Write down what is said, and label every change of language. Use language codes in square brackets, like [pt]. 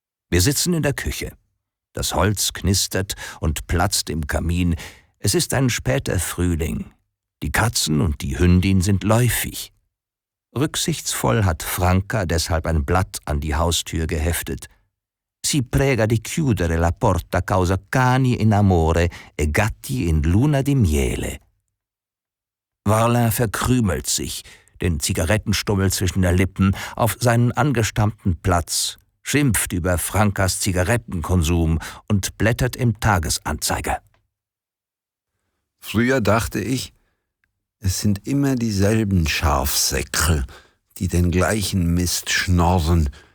[de] Wir sitzen in der Küche. Das Holz knistert und platzt im Kamin. Es ist ein später Frühling. Die Katzen und die Hündin sind läufig. Rücksichtsvoll hat Franca deshalb ein Blatt an die Haustür geheftet. [it] si prega di chiudere la porta causa cani in amore e gatti in luna di miele. [de] Varlin verkrümelt sich, den Zigarettenstummel zwischen der Lippen, auf seinen angestammten Platz, schimpft über Frankas Zigarettenkonsum und blättert im Tagesanzeiger. Früher dachte ich, es sind immer dieselben Schafsäckel, die den gleichen Mist schnorren.